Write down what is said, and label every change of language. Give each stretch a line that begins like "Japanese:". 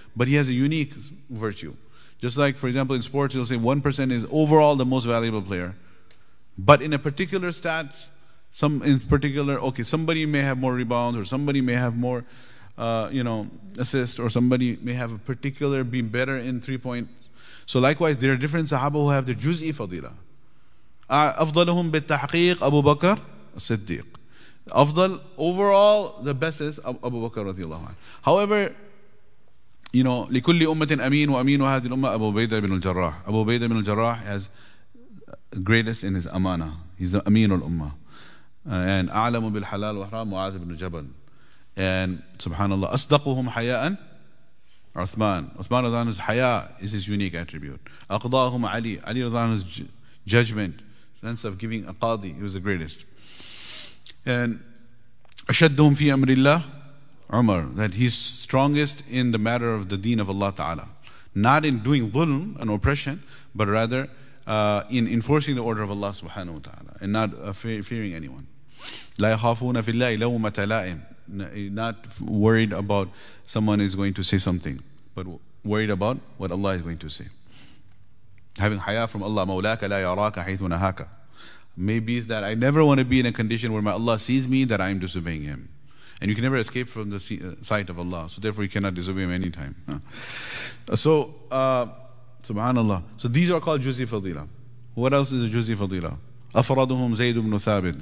English: But he has a unique virtue. Just like, for example, in sports, you'll say 1% is overall the most valuable player. But in a particular stats, some in particular, okay, somebody may have more rebounds, or somebody may have more, assists, or somebody may have a particular, be better in 3 points. So likewise, there are different sahaba who have the juz'i fadila.
Arabic: أَفْضَلُهُمْ بِالتَّحْقِيقِ أَبُو بَكَرَ الصِّدِّيقِ.
English: أفضل, overall, the best is Abu Bakr رضي الله عنه. However, you know,
Arabic: لكل أمة أمين وأمين هذه الأمة أبو بيدة بن الجراح.
English: أبو بيدة بن الجراح has greatest in his amana. He's the
Arabic: أمين الأمة. And أعلم بالحلال وحرام معاذ بن جبل. And سبحان الله أصدقهم حياء عثمان. عثمان رضي الله عنه's حياء
English: is his unique attribute.
Arabic: أقضاهم علي.
English: علي رضي الله عنه's judgment, sense of giving a qadi, he was the greatest. And
Arabic: أشدهم في أمر الله
English: Umar, that he's strongest in the matter of the deen of Allah Ta'ala. Not in doing dhulm and oppression, but rather in enforcing the order of Allah Subhanahu Wa Ta'ala and not fearing anyone.
Arabic: لا يخافون في الله لومة لائم.
English: Not worried about someone is going to say something, but worried about what Allah is going to say. Having haya from Allah,
Arabic: مولاك لا يراك حيث نهاك.
English: Maybe that I never want to be in a condition where my Allah sees me that I am disobeying him. And you can never escape from the sight of Allah. So therefore you cannot disobey him anytime. So, subhanAllah. So these are called juzi fadila. What else is a juzi fadila?
Arabic: أفرضهم زيد بن ثابت.